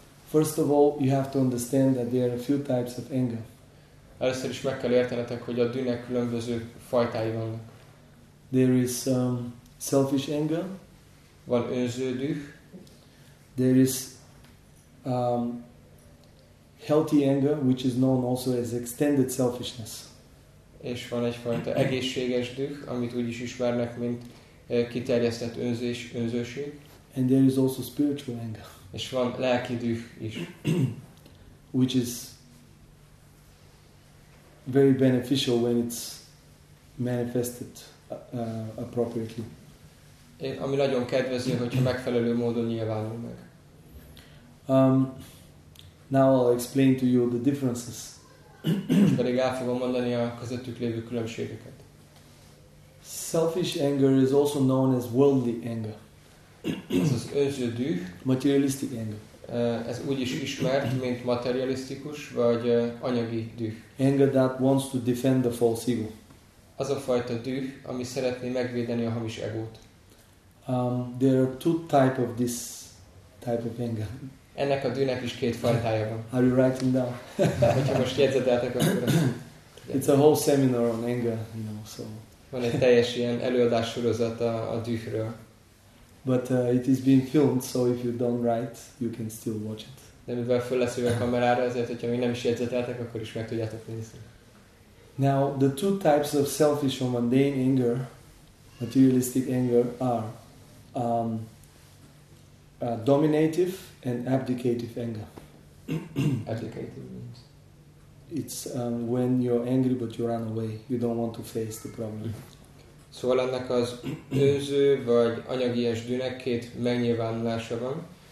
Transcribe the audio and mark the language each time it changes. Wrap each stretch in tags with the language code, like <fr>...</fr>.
<en>First of all, you have to understand that there are a few types of anger.</en> <hu>Először is meg kell értenetek, hogy a dühnek különböző fajtái vannak.</hu> <en>There is selfish anger.</en> <hu>Van önző düh.</hu> <en>There is healthy anger, which is known also as extended selfishness.</en> <hu>És van egyfajta egészséges düh, amit úgy is ismernek, mint kiterjesztett önzés, önzőség.</hu> <en>And there is also spiritual anger.</en> <hu>És van lelki düh is,</hu> <en>which is very beneficial when it's manifested appropriately.</en> <hu>Ami nagyon kedvező, hogyha megfelelő módon nyilvánul meg.</hu> <en>Now I'll explain to you the differences.</en> <hu>Most pedig el fogom mondani a közöttük lévő különbségeket.</hu> <en>Selfish anger is also known as worldly anger.</en> <hu>Ez az önző düh,</hu> <en>materialistic anger.</en> <hu>Ez úgy is ismert, mint materialisztikus vagy anyagi düh.</hu> <en>Anger that wants to defend the false ego.</en> <hu>Az a fajta düh, ami szeretné megvédeni a hamis egót.</hu> <en>There are two type of this type of anger.</en> <hu>Ennek a dűnek is két fajtája van.</hu> <en>Are you writing down?</en> <hu>Hogyha most jegyzeteltek, akkor...</hu> <en>It's a whole seminar on anger, you know, so...</en> <hu>Van egy teljes ilyen előadás sorozat a dühről.</hu> <en>But it is being filmed, so if you don't write, you can still watch it.</en> <hu>De mivel föl lesz a kamerára, azért, hogyha még nem is jegyzeteltek, akkor is meg tudjátok nézni.</hu> <en>Now, the two types of selfish or mundane anger, materialistic anger, are dominative and abdicative anger. Abdicative means? It's when you're angry but you run away. You don't want to face the problem.</en> <hu>Szóval ennek az őző vagy anyagies dűnek két megnyilvánulása van.</hu>